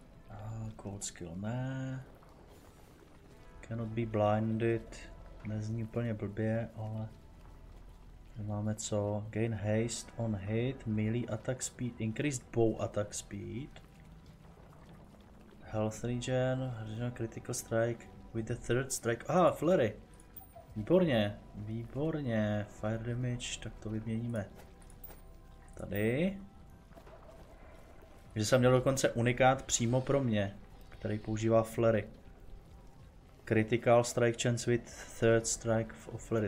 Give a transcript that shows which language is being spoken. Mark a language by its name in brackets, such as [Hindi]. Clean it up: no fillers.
[English] A cold skill [Czech] ne. [English] Cannot be blinded. [Czech] Nezní úplně blbě, ale máme co? [English] Gain haste on hit, melee attack speed, increased bow attack speed. Health regen, critical strike with the third strike. [Czech] Aha, flurry. Výborně. Fire damage, tak to vyměníme. Tady. Že jsem měl dokonce unikát přímo pro mě, který používá flurry. [English] Critical strike chance with third strike of flurry.